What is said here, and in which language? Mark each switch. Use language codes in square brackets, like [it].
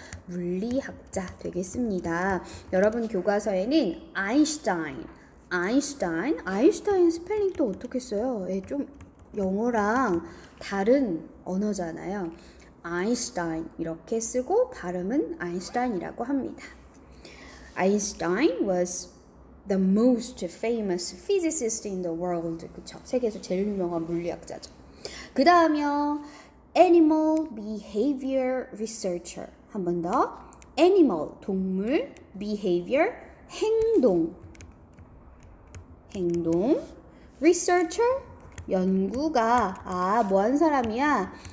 [ko] 물리학자 되겠습니다. 여러분 교과서에는 아인슈타인. 아인슈타인. 아인슈타인 스펠링도 어떻게 써요? 예, 좀 영어랑 다른 언어잖아요. 아인슈타인 이렇게 쓰고 발음은 아인슈타인이라고 합니다. [en] Einstein was the most famous physicist in the world. [ko] 그쵸? 세계에서 제일 유명한 물리학자죠. 그 다음요, [en] animal behavior researcher. [ko] 한번 더. animal 동물, behavior 행동, 행동, researcher 연구가, 아, 뭐 한 사람이야?